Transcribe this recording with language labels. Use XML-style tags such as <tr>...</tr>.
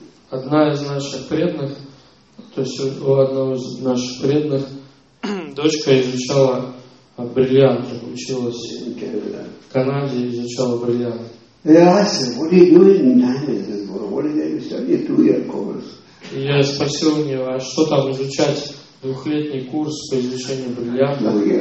<ru>Одна из наших преданных, то есть у одного из наших преданных дочка изучала бриллианты, училась</ru> <en>in Canada.</en> <ru>В Канаде изучала бриллианты.</ru> <en>They asked him, what are you doing in diamonds? What are you studying a 2-year course?</en> <ru>Я спросил у него, а что там изучать? Двухлетний курс по изучению бриллиантов.</ru>